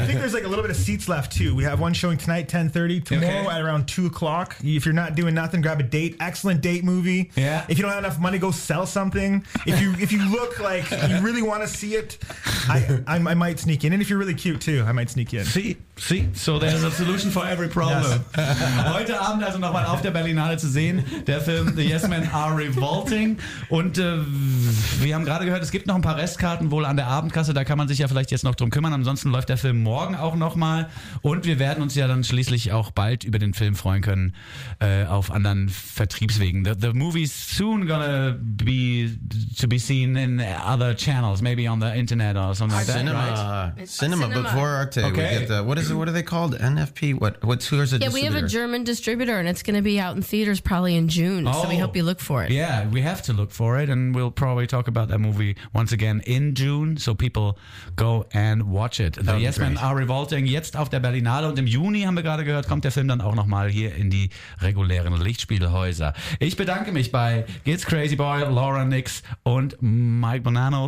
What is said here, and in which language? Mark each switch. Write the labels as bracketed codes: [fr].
[en] I think there's like a little bit of seats left too. We have one showing tonight, 10:30. Tomorrow at around 2 o'clock. If you're not doing nothing, grab a date. Excellent date movie. Yeah. If you don't have enough money, go sell something. If you look like you really want to see it, I might sneak in. And if you're really cute too, I might sneak in. See? So there's a solution for every problem. Yes. [de] Heute Abend also nochmal auf der Berlinale zu sehen. Der Film The Yes Men Are Revolt. Und wir haben gerade gehört, es gibt noch ein paar Restkarten wohl an der Abendkasse. Da kann man sich ja vielleicht jetzt noch drum kümmern. Ansonsten läuft der Film morgen auch nochmal. Und wir werden uns ja dann schließlich auch bald über den Film freuen können auf anderen Vertriebswegen. [en] The movie's soon gonna be to be seen in other channels, maybe on the internet or something like that. Cinema before Arte. Okay. What are they called? NFP? Who is it? Yeah, we have a German distributor and it's gonna be out in theaters probably in June. Oh. So we hope you look for it. Yeah. We have to look for it, and we'll probably talk about that movie once again in June, so people go and watch it. [de] The Yes Men Are Revolting, jetzt auf der Berlinale. Und im Juni, haben wir gerade gehört, kommt der Film dann auch nochmal hier in die regulären Lichtspielhäuser. Ich bedanke mich bei Giz Crazy Boy, Laura Nix und Mike Bonanno.